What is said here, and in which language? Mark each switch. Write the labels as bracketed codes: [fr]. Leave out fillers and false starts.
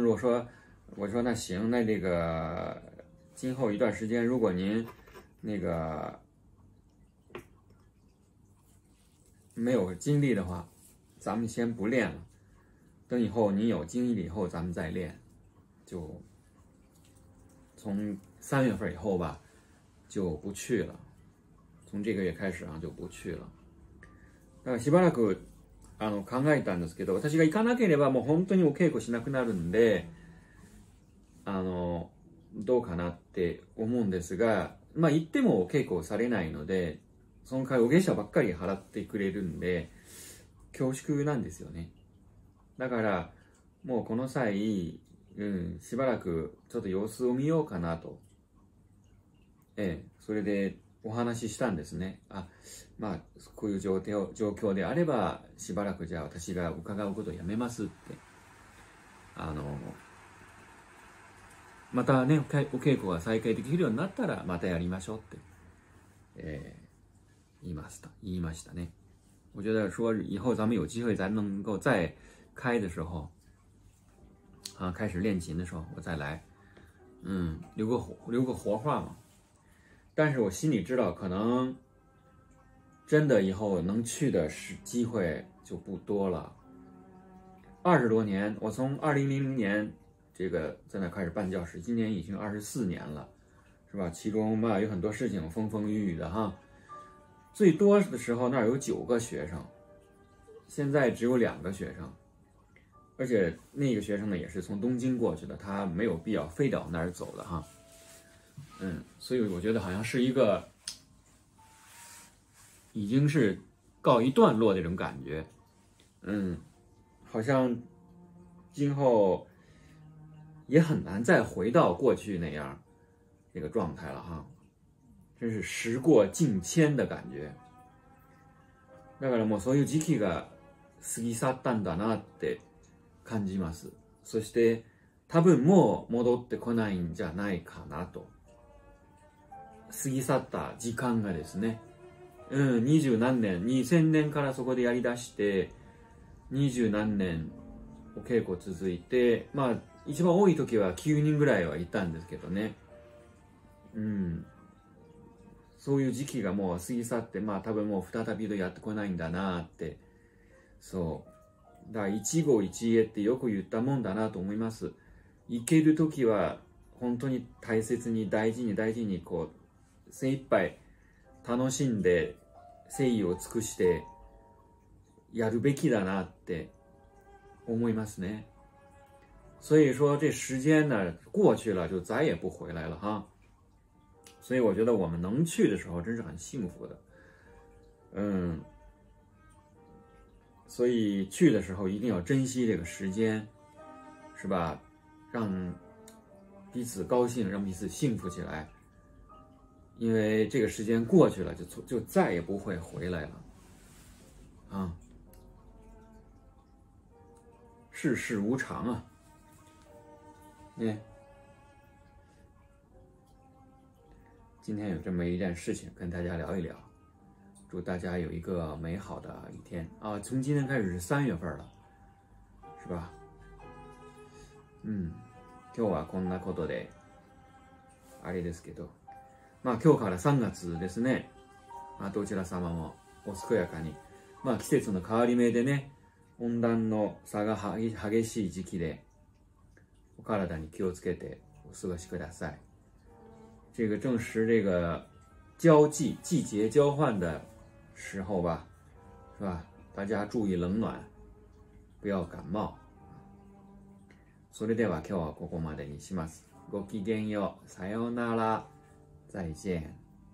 [zh] 如果说我说那行，那这个今后一段时间，如果您那个没有精力的话，咱们先不练了，等以后您有精力以后咱们再练。就从三月份以后吧就不去了，从这个月开始啊就不去了。 [ja] だからしばらく考えたんですけど、私が行かなければもう本当にお稽古しなくなるんで、どうかなって思うんですが、まあ行ってもお稽古されないので、その代わりお芸者ばっかり払ってくれるんで恐縮なんですよね。だからもうこの際、しばらくちょっと様子を見ようかなと、それでお話ししたんですね。あ、まあこういう状況であればしばらくじゃあ私が伺うことをやめますって、またね、お稽古が再開できるようになったらまたやりましょうって、言いましたね。 [zh] 我觉得说以后咱们有机会咱能够再开的时候啊，开始练琴的时候我再来，留个活话嘛。但是我心里知道可能真的以后能去的机会就不多了。 20多年，我从2000年这个在那开始办教室，今年已经24年了，是吧？其中嘛有很多事情风风雨雨的哈。最多的时候那儿有9个学生，现在只有2个学生，而且那个学生呢也是从东京过去的，他没有必要非得往那儿走的哈。所以我觉得好像是一个已经是告一段落的那种感觉。好像今后也很难再回到过去那样那个状态了哈，真是时过境迁的感觉。 [ja] だからもうそういう時期が過ぎ去ったんだなって感じます。そして多分もう戻ってこないんじゃないかなと。過ぎ去った時間がですね、2000年からそこでやりだして、20何年お稽古続いて、まあ一番多い時は9人ぐらいはいたんですけどね、そういう時期がもう過ぎ去って、まあ多分もう再びやってこないんだなって。そうだから一期一会ってよく言ったもんだなと思います。行ける時は本当に大切に大事に大事にこう精一杯楽しんで誠意を尽くしてやるべきだなって思いますね。 [zh] 所以说这时间呢过去了就再也不回来了哈。所以我觉得我们能去的时候真是很幸福的，所以去的时候一定要珍惜这个时间，是吧？让彼此高兴，让彼此幸福起来，因为这个时间过去了就再也不会回来了啊。世事无常啊。今天有这么一件事情跟大家聊一聊，祝大家有一个美好的一天啊！从今天开始是三月份了，是吧？ [ja] 今日はこんなことで、あれですけど、まあ今日から三月ですね。まあどちら様もお健やかに、まあ季節の変わり目でね、温暖の差が激しい時期で、お体に気をつけてお過ごしください。 [zh] 这个正是这个交际季节交换的时候吧，是吧？大家注意冷暖，不ようかも。 [ja] それでは今日はここまでにします。ごきげんよう。さようなら。 [zh] 再见。